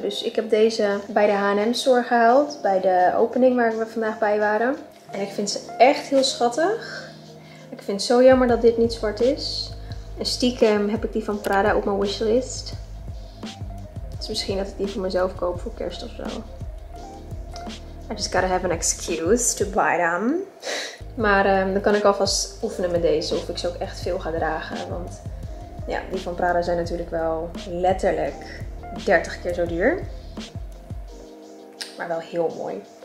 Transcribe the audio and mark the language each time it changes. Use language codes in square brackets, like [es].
[nl] Dus ik heb deze bij de H&M store gehaald. Bij de opening waar we vandaag bij waren. En ik vind ze echt heel schattig. Ik vind het zo jammer dat dit niet zwart is. En stiekem heb ik die van Prada op mijn wishlist. Dus misschien dat ik die voor mezelf koop voor kerst of zo. [en] I just gotta have an excuse to buy them. [nl] Maar dan kan ik alvast oefenen met deze of ik ze ook echt veel ga dragen. Want ja, die van Prada zijn natuurlijk wel letterlijk 30 keer zo duur. Maar wel heel mooi.